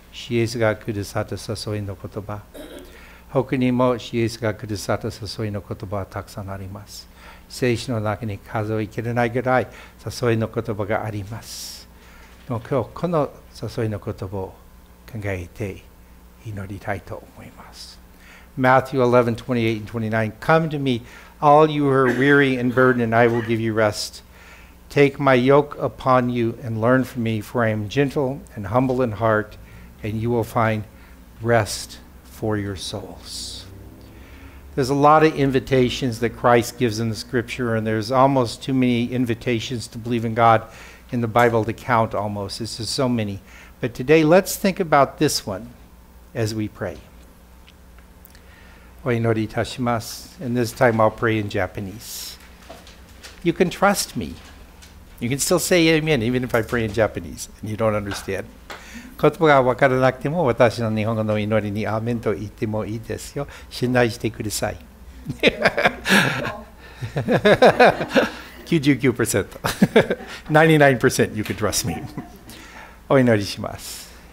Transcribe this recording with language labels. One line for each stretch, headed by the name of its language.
Japanese: イエスがくださった誘いの言葉。他にもイエスがくださった誘いの言葉はたくさんあります。聖書の中に数えきれないぐらい誘いの言葉があります。でも今日この誘いの言葉を考えて祈りたいと思います。
English: Matthew 11:28-29 Come to me, all you who are weary and burdened, and I will give you rest. Take my yoke upon you and learn from me, for I am gentle and humble in heart, and you will find rest. For your souls. There's a lot of invitations that Christ gives in the scripture, and there's almost too many invitations to believe in God in the Bible to count almost. This is so many. But today, let's think about this one as we pray.
Japanese: お祈りいたします。
English: And this time I'll pray in Japanese. You can trust me. You can still say amen, even if I pray in Japanese and you don't understand.
Japanese: 言葉がわからなくても私の日本語の祈りにアーメンと言ってもいいですよ。信頼してください。
English: 99%。 99% you can trust me.
Japanese: お祈りします。